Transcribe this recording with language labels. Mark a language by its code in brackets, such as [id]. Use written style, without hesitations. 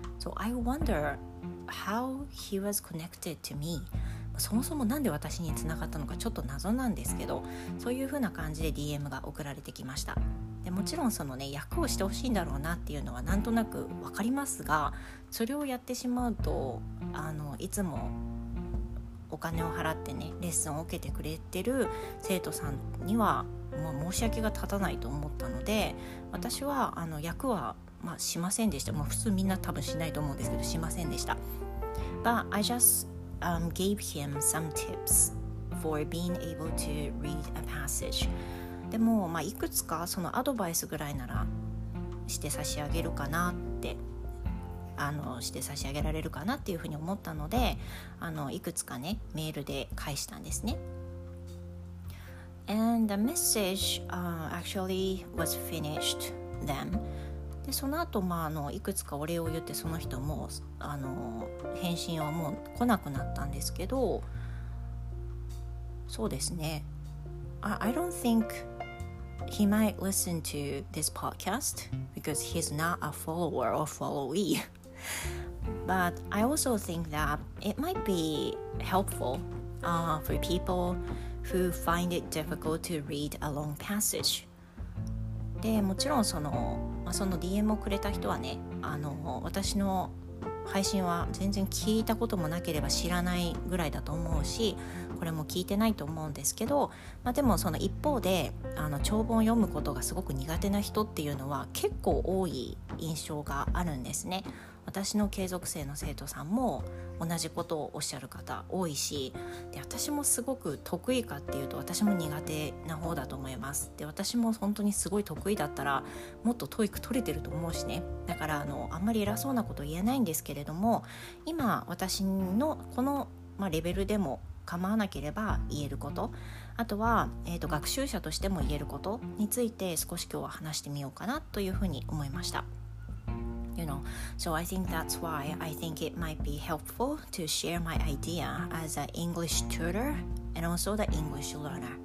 [en] So I wonder how he was connected to me. [ja] そもそもなんで私につながったのかちょっと謎なんですけどそういうふうな感じで DM が送られてきました。でもちろんそのね訳をしてほしいんだろうなっていうのはなんとなくわかりますがそれをやってしまうといつもお金を払ってねレッスンを受けてくれてる生徒さんにはもう申し訳が立たないと思ったので私は訳は、まあ、しませんでした。もう普通みんな多分しないと思うんですけどしませんでした。 [en] But I just、gave him some tips for being able to read a passage. [ja] でも、まあ、いくつかそのアドバイスぐらいならして差し上げるかなってして差し上げられるかなっていうふうに思ったのでいくつかねメールで返したんですね。 [en] And the message、actually was finished then [ja] でその後、まあ、いくつかお礼を言ってその人も返信はもう来なくなったんですけどそうですね I don't think he might listen to this podcast because he's not a follower or followeeBut I also think that it might be helpful for people who find it difficult to read a long passage. で、もちろんその DM をくれた人はね、私の配信は全然聞いたこともなければ知らないぐらいだと思うし、これも聞いてないと思うんですけど、まあ、でもその一方で長文を読むことがすごく苦手な人っていうのは結構多い印象があるんですね。私の継続生の生徒さんも同じことをおっしゃる方多いしで私もすごく得意かっていうと私も苦手な方だと思います。で私も本当にすごい得意だったらもっとトイック取れてると思うしねだからあんまり偉そうなこと言えないんですけれども今私のこの、まあ、レベルでも構わなければ言えることあとは、学習者としても言えることについて少し今日は話してみようかなというふうに思いました。 You know, so I think that's why I think it might be helpful to share my idea as an English tutor and also the English learner.